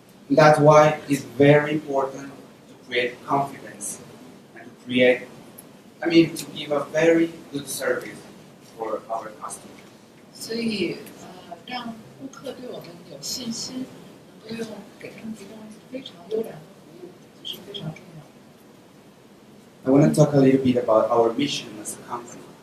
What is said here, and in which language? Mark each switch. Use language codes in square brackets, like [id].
[en] That's why it's very important to create confidence and to create, I mean, to give a very good service for our customers. [zh] 所以，让顾客对我们有信心，能够用给他们提供非常优良的服务，这是非常重要。 [en] I want to talk a little bit about our mission as a company.